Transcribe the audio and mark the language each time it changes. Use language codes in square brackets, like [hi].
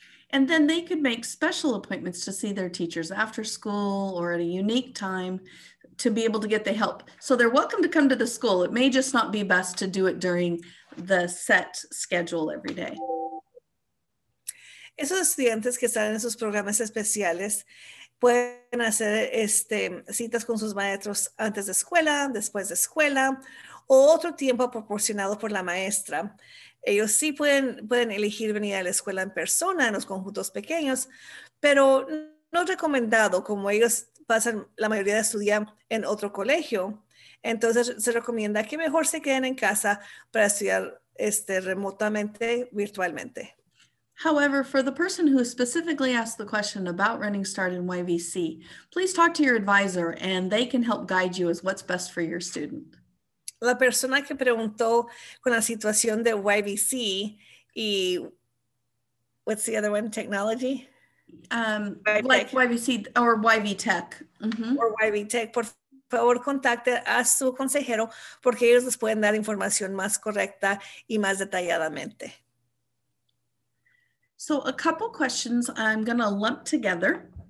[en] And then they could make special appointments to see their teachers after school or at a unique time to be able to get the help. So they're welcome to come to the school. It may just not be best to do it during the set schedule every day. [es] Esos estudiantes que están en esos programas especiales pueden hacer este, citas con sus maestros antes de escuela, después de escuela, o otro tiempo proporcionado por la maestra. Ellos sí pueden elegir venir a la escuela en persona, en los conjuntos pequeños, pero no es recomendado, como ellos pasan, la mayoría estudian en otro colegio. Entonces se recomienda que mejor se queden en casa para estudiar este, remotamente, virtualmente. [en] However, for the person who specifically asked the question about Running Start in YVC, please talk to your advisor and they can help guide you as what's best for your student. [es] La persona que preguntó con la situación de YVC y [en] what's the other one, technology? YVC or YV Tech. Mm-hmm. [es] Or YV Tech, por favor contacte a su consejero porque ellos les pueden dar información más correcta y más detalladamente. [en] So a couple questions I'm going to lump together.